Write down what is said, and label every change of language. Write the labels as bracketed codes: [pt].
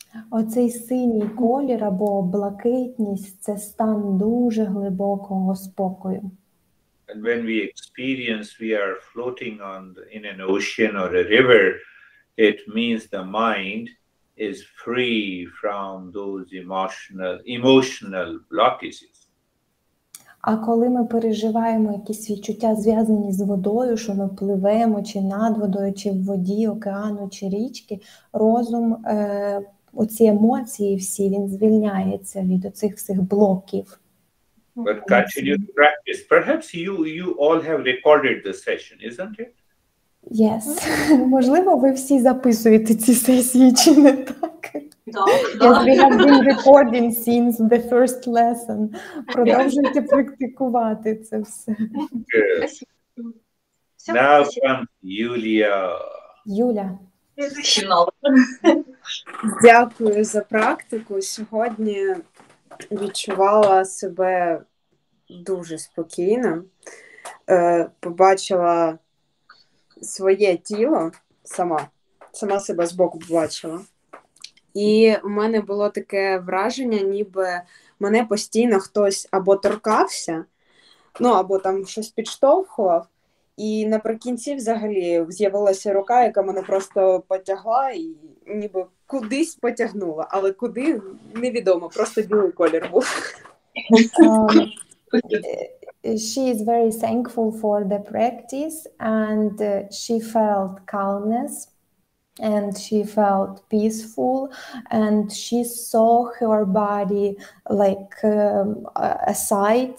[uk] Оцей синій колір або блакитність – це стан дуже глибокого спокою. [en] And when we experience we are floating on the, in an ocean or a river, it means the mind is free from those emotional blockages. [uk] А коли ми переживаємо якісь відчуття, зв'язані з водою, що ми пливемо чи над водою, чи в воді, океану, чи річки, розум, оці емоції всі, він звільняється від оцих всіх блоків. [en] But continue to practice. Perhaps you all have recorded the session, isn't it? Yes. [uk] Можливо, ви всі записуєте ці сесії, чи не так? [en] Yes, we have been recording since the first lesson. [uk] Продовжуйте практикувати це все. [en] Now comes Юлія. [uk] Юля. Дякую за практику. Сьогодні відчувала себе дуже спокійно. Побачила своє тіло сама себе збоку побачила. І в мене було таке враження, ніби мене постійно хтось або торкався, ну або там щось підштовхував, і наприкінці взагалі з'явилася рука, яка мене просто потягла і ніби кудись потягнула, але куди – невідомо, просто білий колір був. [en] She is very thankful for the practice, and she felt calmness, and she felt peaceful, and she saw her body like a side.